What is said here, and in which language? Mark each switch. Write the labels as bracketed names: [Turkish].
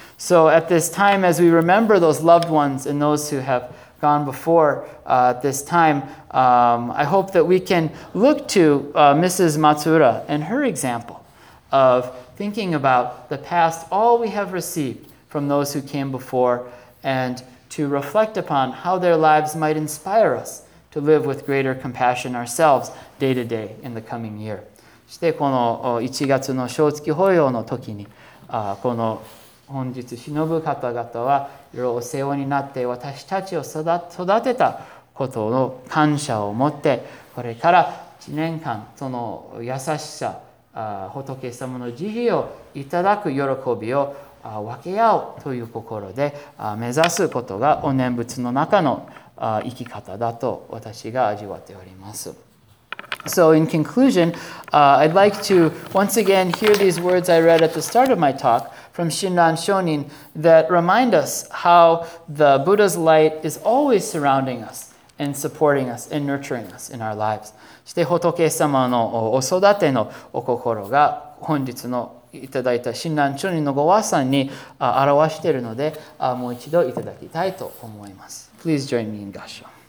[English] So at this time, as we remember those loved ones and those who have gone before this time, I hope that we can look to Mrs. Matsura and her example of thinking about the past, all we have received from those who came before, and to reflect upon how their lives might inspire us to live with greater compassion ourselves day to day in the coming year. [Japanese] そしてこの1月の正月法要の時に、この本日忍ぶ方々はいろいろお世話になって私たちを育てたことの感謝を持って、これから1年間その優しさ、仏様の慈悲をいただく喜びを分け合おうという心で目指すことがお念仏の中の生き方だと私が味わっております。 [English] So in conclusion, I'd like to once again hear these words I read at the start of my talk from Shinran Shonin that remind us how the Buddha's light is always surrounding us and supporting us and nurturing us in our lives. [Japanese] そして仏様のお育てのお心が本日のいただいた親鸞聖人のご和さんに表しているので、もう一度いただきたいと思います。 [English] Please join me in Gassho.